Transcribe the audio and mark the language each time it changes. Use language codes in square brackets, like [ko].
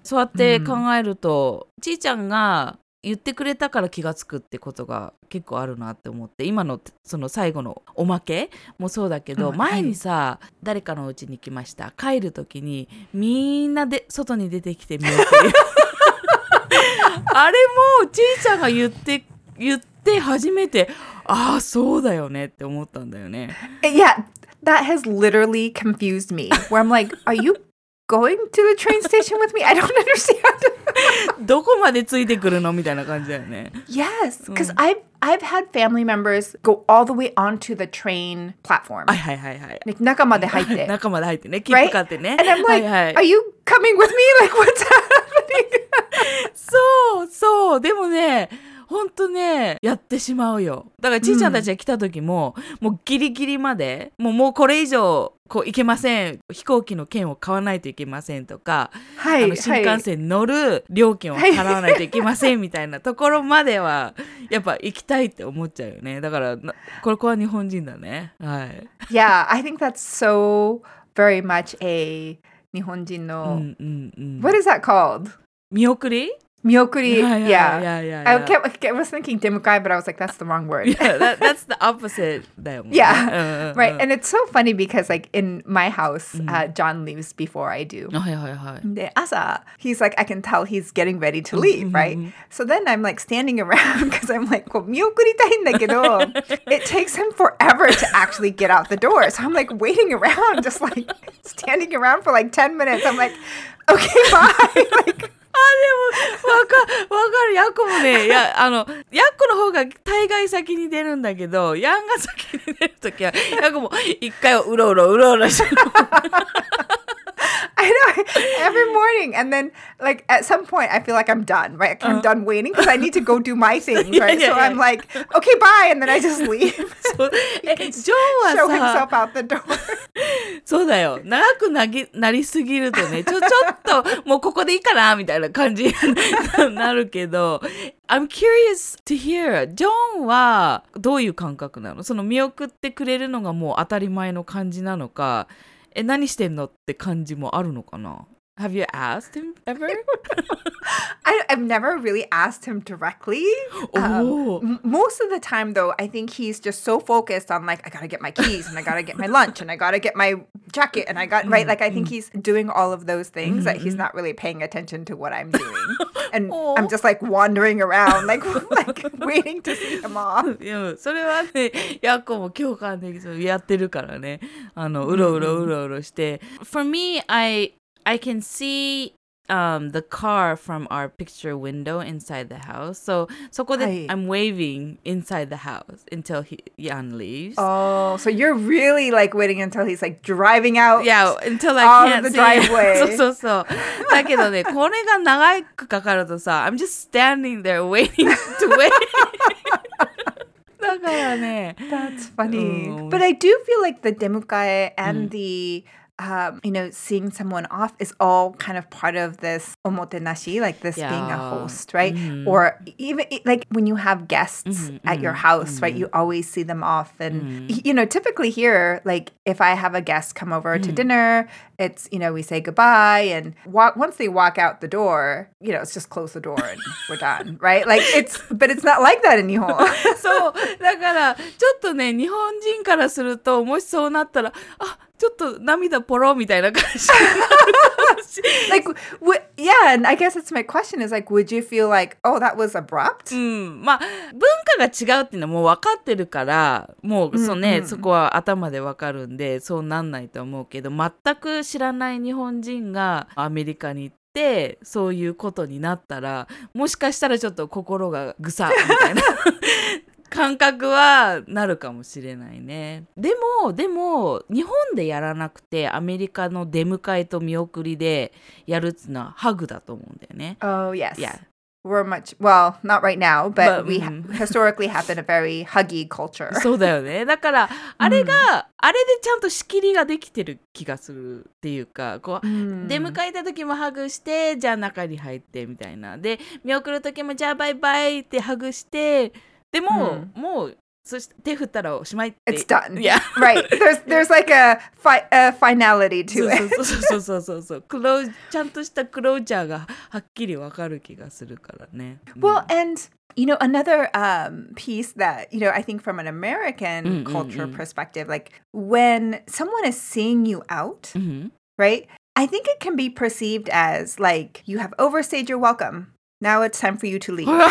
[ja] そうやって考えると、ちーちゃんが言ってくれたから気がつくってことが結構あるなって思って、今のその最後のおまけもそうだけど、前にさ、誰かのうちに来ました。帰るときにみんなで外に出てきて見送り。あれもちーちゃんが言って初めて、ああ、そうだよねって思ったんだよね。 [en] Yeah, that has literally confused me. Where I'm like, are you going to the train station with me? I don't understand. [ja] どこまでついてくるのみたいな感じだよね。 [en] Yes, because、うん、I've had family members go all the way onto the train platform. [ja] はいはいはいはい。 Like, 中まで入って。中まで入ってね。切符買ってね。 [en] Right? And I'm like, [ja] はい、はい、 [en] are you coming with me? Like, what's happening? [ja] そうそう。でもね、本当ね、やってしまうよ。だからちーちゃんたちが来た時も、うん、もうギリギリまで、もうこれ以上、こう行けません。飛行機の券を買わないといけませんとか、はい、あの新幹線乗る料金を払わないといけませんみたいなところまでは、やっぱ行きたいって思っちゃうよね。だから、ここは日本人だね。はい。 [en] Yeah, I think that's so very much a [ja] 日本人の、 [en] What is that called? [ja] 見送り? [en] 見送り、yeah. I was thinking 出迎え, but I was like, that's the wrong word. Yeah, that's the opposite. Yeah, right. And it's so funny because like in my house,、John leaves before I do. Oh, yeah, yeah, yeah. [ja] で、朝, [en] he's like, I can tell he's getting ready to leave, right? So then I'm like standing around because I'm like, well, [ja] 見送りたいんだけど, [en] it takes him forever to actually get out the door. So I'm like waiting around, just like standing around for like 10 minutes. I'm like, okay, bye. Like, [ja] あでも分かるヤコもねやあのヤコの方が大概先に出るんだけどヤンが先に出る時はヤコも一回をうろうろし [en] てる。I know every morning and then like at some point I feel like I'm done right I'm done waiting because I need to go do my things right yeah, yeah, yeah. So I'm like okay bye and then I just leave. [ja] ジョンはさ [en] show himself out the door. [ja] そうだよ長くなりすぎるとねちょっともうここでいいかなみたいな感じになるけど [en] I'm curious to hear [ja] ジョンはどういう感覚なのその見送ってくれるのがもう当たり前の感じなのかえ何してんのって感じもあるのかな [en] Have you asked him ever? I've never really asked him directly. Most of the time, though, I think he's just so focused on like, I gotta get my keys and I gotta get my lunch and I gotta get my jacket and I got, right? Like, I think he's doing all of those things that he's not really paying attention to what I'm doing. And I'm just like wandering around, like waiting to see him off. [ja] Yeah, それはね、ヤコも共感的にやってるからね。あの、うろうろうろうろして。 [en] For me, I can see the car from our picture window inside the house. So I'm waving inside the house until Jan leaves. Oh, so you're really like waiting until he's like driving out. Yeah, until I can't see. Out of the driveway. So. [ja] だけどね、これが長くかかるとさ、 [en] I'm just standing there waiting to wait. [ja] だからね。 [en] That's funny. But I do feel like the 出迎え and the... you know, seeing someone off is all kind of part of this omotenashi, like this being a host, right? Or even like when you have guests at your house, right? You always see them off. And, you know, typically here, like if I have a guest come over to dinner, it's, you know, we say goodbye. And once they walk out the door, you know, it's just close the door and we're done, right? Like it's, but it's not like that in Nihon. [ja] So, だからちょっとね、日本人からすると、もしそうなったら、ちょっと涙ポロみたいな感じ。 [en] Like, yeah, and I guess that's my question is like, would you feel like, oh, that was abrupt? [ja] まあ、文化が違うっていうのはもう分かってるから、もうそうね、そこは頭で分かるんで、そうなんないと思うけど、全く知らない日本人がアメリカに行って、そういうことになったら、もしかしたらちょっと心がぐさみたいな。感覚はなるかもしれないね。でも日本でやらなくてアメリカの出迎えと見送りでやるっていうのはハグだと思うんだよね。 [en] Oh yes. Yeah. We're much well, not right now, but we historically have been a very huggy culture. [ja] そうだよね。だからあれがあれでちゃんと仕切りができてる気がするっていうか、こう出迎えた時もハグして、じゃあ中に入ってみたいな。で見送る時もじゃあバイバイってハグして。でも、もう、そして手振ったらおしまいって。 [en] It's done. Yeah. Right. There's like a finality to it. [ja] そう。ちゃんとしたクロージャーがはっきりわかる気がするからね。 [en] Well, and, you know, another piece that, you know, I think from an American culture perspective, like when someone is seeing you out, right? I think it can be perceived as like, you have overstayed your welcome. Now it's time for you to leave.